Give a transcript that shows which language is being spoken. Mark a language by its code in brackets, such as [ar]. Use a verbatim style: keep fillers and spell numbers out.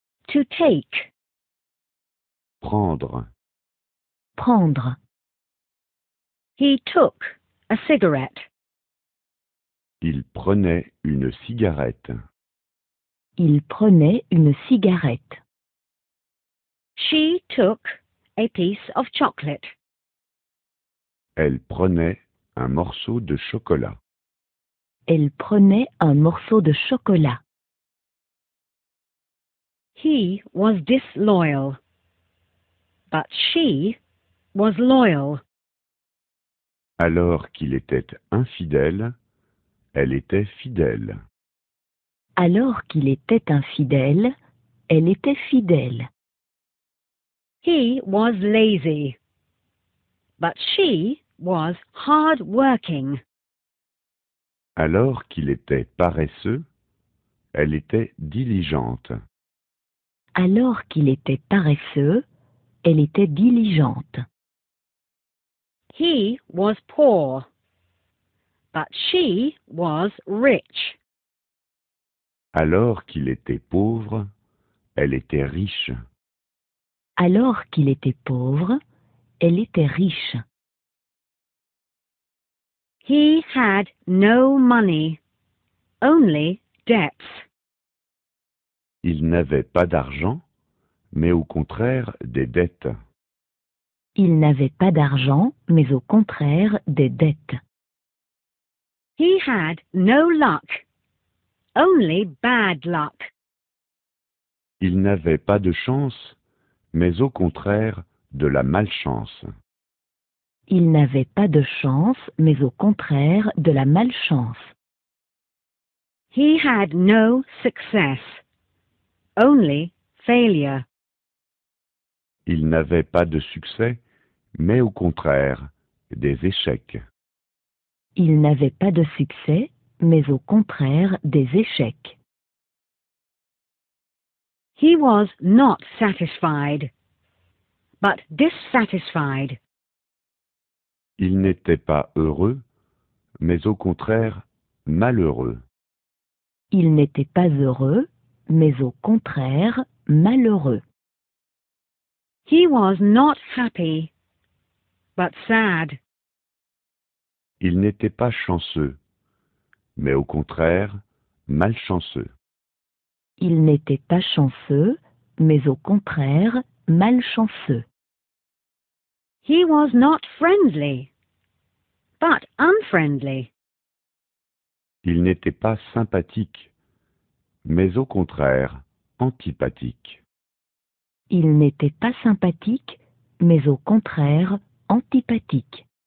[en] To take, [fr] Prendre, prendre. [en] He took a cigarette. [fr] il prenait une cigarette. Il prenait une cigarette. [en] She took a piece of chocolate. [fr] Elle prenait un morceau de chocolat. Elle prenait un morceau de chocolat. [en] He was disloyal, but she was loyal. [fr] Alors qu'il était infidèle, elle était fidèle. Alors qu'il était infidèle, elle était fidèle. [en] He was lazy, but she was hard working. [fr] Alors qu'il était paresseux, elle était diligente. Alors qu'il était paresseux, elle était diligente. [en] He was poor, but she was rich. [fr] Alors qu'il était pauvre, elle était riche. Alors qu'il était pauvre, elle était riche. [en] He had no money, only debts. [fr] Il n'avait pas d'argent, mais au contraire des dettes. Il n'avait pas d'argent, mais au contraire des dettes. [en] He had no luck, only bad luck. [fr] Il n'avait pas de chance, mais au contraire de la malchance. Il n'avait pas de chance, mais au contraire de la malchance. [en] He had no success, only failure. [fr] Il n'avait pas de succès, mais au contraire des échecs. Il n'avait pas de succès, mais au contraire des échecs. [en] He was not satisfied, but dissatisfied. [fr] Il n'était pas heureux, mais au contraire malheureux. Il n'était pas heureux, mais au contraire malheureux. [en] He was not happy, but sad. [fr] Il n'était pas chanceux, mais au contraire malchanceux. Il n'était pas chanceux, mais au contraire malchanceux. [en] He was not friendly, but unfriendly. [fr] Il n'était pas sympathique, mais au contraire antipathique. Il n'était pas sympathique, mais au contraire antipathique.